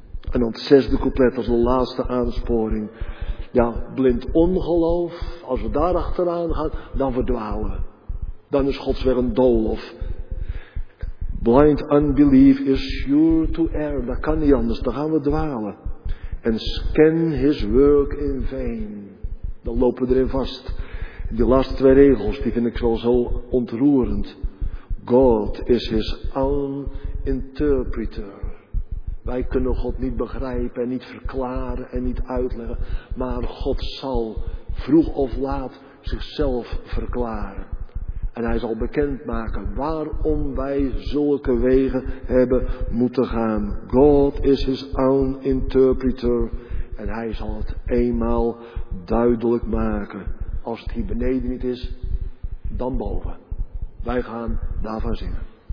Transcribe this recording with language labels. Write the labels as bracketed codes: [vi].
[nl] En dan het zesde couplet als de laatste aansporing. Ja, blind ongeloof, als we daar achteraan gaan, dan verdwalen. Dan is Gods weg een doolhof. [en] Blind unbelief is sure to err, [nl] dat kan niet anders, dan gaan we dwalen. [en] And scan his work in vain, [nl] dan lopen we erin vast. Die laatste twee regels, die vind ik wel zo ontroerend. [en] God is his own interpreter. [nl] Wij kunnen God niet begrijpen en niet verklaren en niet uitleggen. Maar God zal vroeg of laat zichzelf verklaren. En hij zal bekendmaken waarom wij zulke wegen hebben moeten gaan. [en] God is his own interpreter. [nl] En hij zal het eenmaal duidelijk maken. Als het hier beneden niet is, dan boven. Wij gaan daarvan zingen.